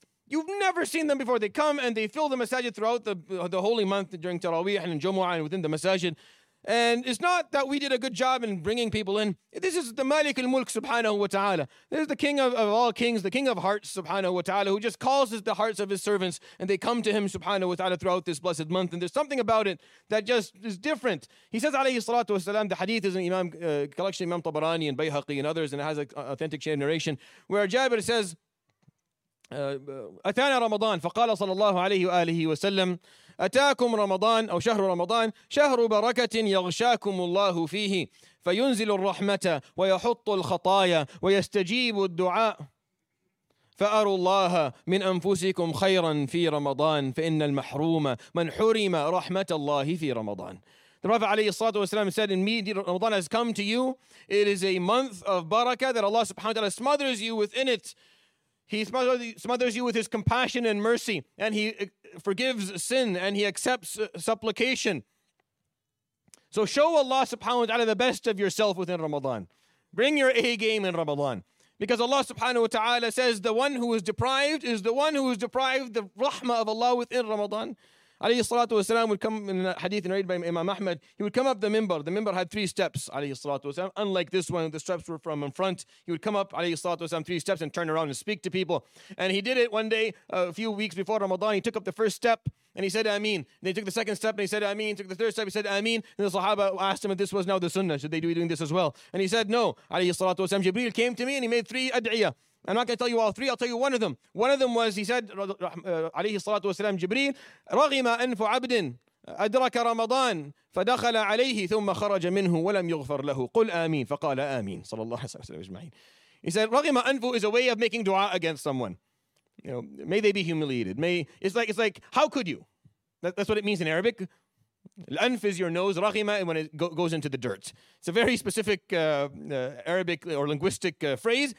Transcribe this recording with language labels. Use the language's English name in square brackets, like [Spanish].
[English] You've never seen them before. They come and they fill the masajid throughout the holy month during Taraweeh and Jumu'ah and within the masajid. And it's not that we did a good job in bringing people in. This is the Malik al-Mulk subhanahu wa ta'ala. This is the king of all kings, the king of hearts subhanahu wa ta'ala, who just calls the hearts of his servants and they come to him subhanahu wa ta'ala throughout this blessed month. And there's something about it that just is different. He says alayhi salatu wa salam, the hadith is in Imam collection Imam Tabarani and Bayhaqi and others, and it has an authentic chain narration where Jabir says, [Arabic] أَتَانَا رَمَضَانَ فَقَالَ صَلَى اللَّهُ عَلَيْهِ وَآلِهِ وَسَلَّمْ أَتَاكُمْ رَمَضَانَ أو شهر رمضان شهر بركة يغشاكم الله فيه فينزل الرحمة ويحط الخطايا ويستجيب الدعاء فأروا الله من أنفسكم خيرا في رمضان فإن المحروم من حرم رحمة الله في رمضان. [English] The Prophet [Arabic] عليه الصلاة والسلام [English] said, indeed Ramadan has come to you. It is a month of barakah that Allah subhanahu wa ta'ala smothers you within it. He smothers you with his compassion and mercy, and he forgives sin, and he accepts supplication. So show Allah subhanahu wa ta'ala the best of yourself within Ramadan. Bring your A game in Ramadan. Because Allah subhanahu wa ta'ala says, the one who is deprived is the one who is deprived the rahmah of Allah within Ramadan. Alayhi salatu wasalam would come in a hadith narrated by Imam Ahmad. He would come up the minbar. The minbar had three steps, alayhi salatu wasalam. Unlike this one, the steps were from in front. He would come up, alayhi salatu wasalam, three steps and turn around and speak to people. And he did it one day, a few weeks before Ramadan. He took up the first step and he said, Ameen. Then he took the second step and he said, Ameen. He took the third step, he said, Ameen. And the Sahaba asked him if this was now the sunnah. Should they be doing this as well? And he said, no. Alayhi salatu wasalam, Jibreel came to me and he made three ad'iyah. I'm not going to tell you all three, I'll tell you one of them. One of them was, he said, alayhi salatu wasalam, Jibreel, [Arabic] رَغِمَ أَنْفُ عَبْدٍ أَدْرَكَ رَمَضَانٍ فَدَخَلَ عَلَيْهِ ثُمَّ خَرَجَ مِنْهُ وَلَمْ يُغْفَرْ لَهُ قُلْ آمِينَ فَقَالَ آمِينَ صَلَى اللَّهُ عَلَيْهِ وَسَلَّمَ أَجْمَعِينَ. [English] He said, [Arabic] رَغِمَ أَنْفُ [English] is a way of making dua against someone. You know, may they be humiliated. It's like, how could you? That's what it means in Arabic. Al-anf is your nose, raghima when it goes into the dirt. It's a very specific Arabic or linguistic phrase.